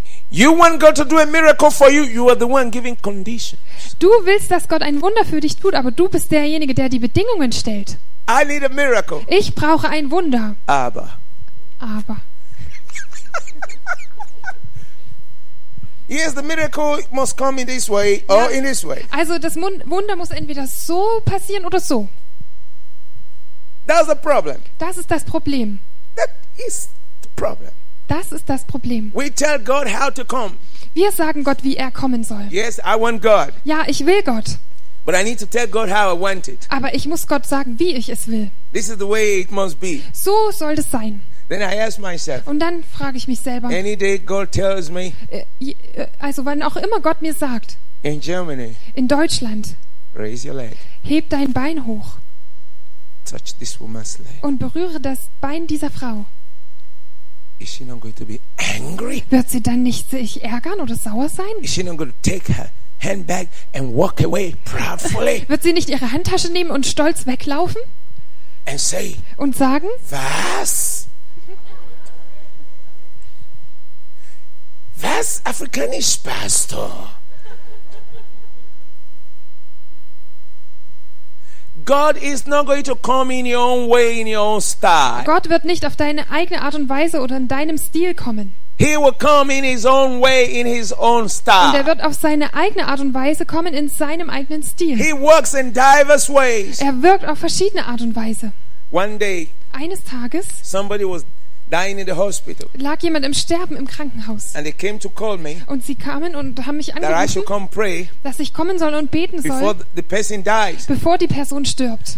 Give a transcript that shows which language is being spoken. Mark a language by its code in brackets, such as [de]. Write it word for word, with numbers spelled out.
[en] You want God to do a miracle for you, you are the one giving conditions. [de] Du willst, dass Gott ein Wunder für dich tut, aber du bist derjenige, der die Bedingungen stellt. [en] I need a miracle. [de] Ich brauche ein Wunder. Aber. Aber. [en] Yes, the miracle must come in this way or [de] Ja. [en] in this way. [de] Also, das Mun-, Wunder muss entweder so passieren oder so. [en] That's the problem. [de] Das ist das Problem. [en] That is the problem. [de] Das ist das Problem. [en] We tell God how to come. [de] Wir sagen Gott, wie er kommen soll. [en] Yes, I want God. [de] Ja, ich will Gott. [en] But I need to tell God how I want it. [de] Aber ich muss Gott sagen, wie ich es will. [en] This is the way it must be. [de] So soll es sein. [en] Then I ask myself, [de] Und dann frage ich mich selber, [en] any day God tells me [de] äh, je, äh, also wann auch immer Gott mir sagt, [en] in Germany, [de] in Deutschland, [en] raise your leg. [de] heb dein Bein hoch [en] Touch this woman's leg. [de] und berühre das Bein dieser Frau. [en] Is she not going to be angry? [de] Wird sie dann nicht sich ärgern oder sauer sein? [en] Is she not going to take her handbag and walk away proudly? [de] Wird sie nicht ihre Handtasche nehmen und stolz weglaufen? [en] And say, [de] Und sagen? "Vas?" "Vas Africanische Pastor." [en] God is not going to come in your own way, in your own style. [de] Gott wird nicht auf deine eigene Art und Weise oder in deinem Stil kommen. [en] He will come in his own way, in his own style. [de] Und er wird auf seine eigene Art und Weise kommen in seinem eigenen Stil. [en] He works in diverse ways. [de] Er wirkt auf verschiedene Art und Weise. [en] One day, [de] Eines Tages [en] somebody was dying in the hospital. [de] Lag jemand im Sterben im Krankenhaus. [en] And they came to call me [de] Und sie kamen und haben mich [en] that I should come pray [de] dass ich kommen soll und beten soll, [en] before the person died. [de] bevor die Person stirbt.